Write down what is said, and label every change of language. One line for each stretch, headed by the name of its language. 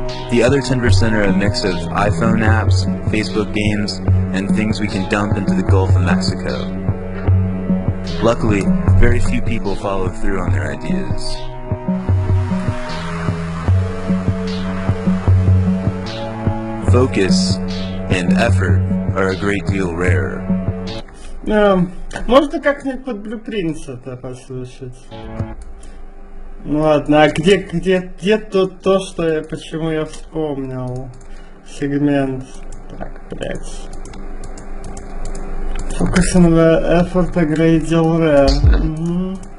English: The other 10% are a mix of iPhone apps, Facebook games, and things we can dump into the Gulf of Mexico. Luckily, very few people follow through on their ideas. Focus and effort are a great deal rarer.
Russian: Можно как-нибудь под блюпринца-то послушать. Ну ладно, а где тут то, что я, почему я вспомнил сегмент? Так, блядь.
English: Focus on the effort, a great deal rare.